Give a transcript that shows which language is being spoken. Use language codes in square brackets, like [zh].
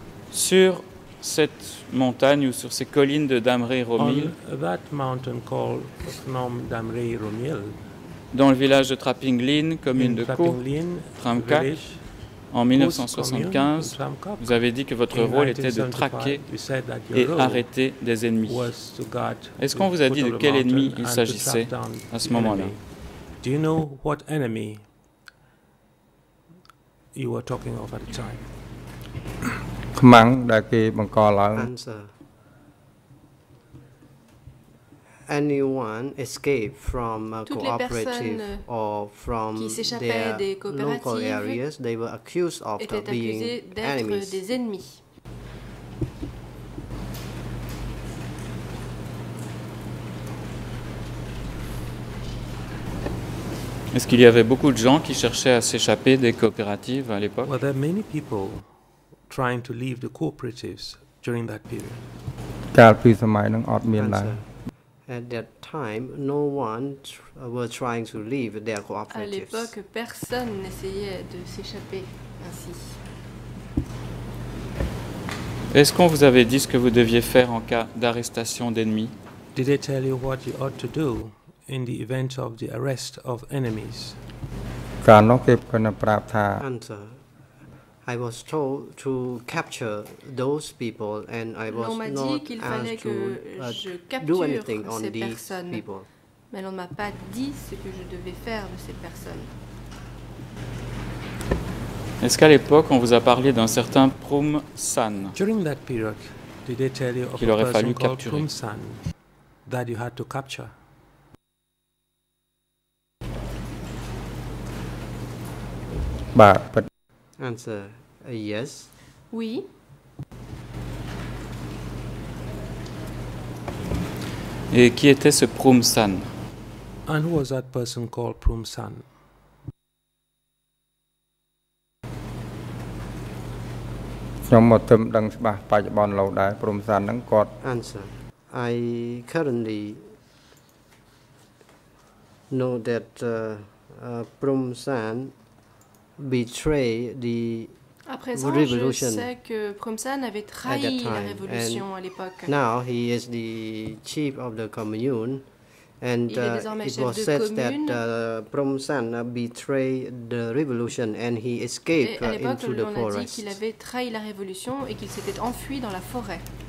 [fr] Sur cette montagne ou sur ces collines de Damre Romil, dans le village de Traping Lin, commune de Ko, Tramkak, en 1975, vous avez dit que votre rôle était de traquer et arrêter des ennemis. Est-ce qu'on vous a dit de quel ennemi il s'agissait à ce moment-là? [en] Do you know what enemy you were talking of at the time? Khmang dai ke bangkol lang. Answer. Anyone escape from a cooperative or from their local areas, they were accused of being enemies. [fr] Des ennemis. Est-ce qu'il y avait beaucoup de gens qui cherchaient à s'échapper des coopératives à l'époque? [en] Well, there are many people trying to leave the cooperatives during that period. At that time, no one was trying to leave their cooperatives. [fr] À l'époque, personne n'essayait de s'échapper ainsi. Est-ce qu'on vous avait dit ce que vous deviez faire en cas d'arrestation d'ennemis? [en] Did they tell you what you ought to do in the event of the arrest of enemies? Answer. I was told to capture those people and I was not asked to do anything on these people. [fr] Mais on ne m'a pas dit ce que je devais faire de ces personnes. Est-ce qu'à l'époque, on vous a parlé d'un certain Prum San? [en] During that period, did they tell you of a person called Prum San that you had to capture? But answer. Yes. [fr] Oui. Et qui était ce Prum San? [en] And who was that person called Prum San? Answer. I currently know that Prum San betrayed the [fr] à présent, [en] revolution. [fr] Je sais que Prum San avait trahi la révolution [en] and [fr] à l'époque. [en] Now he is the chief of the commune, and it was said that Prum San betrayed the revolution and he escaped into the forest. [fr] À l'époque, on a dit qu'il avait trahi la révolution et qu'il s'était enfui dans la forêt.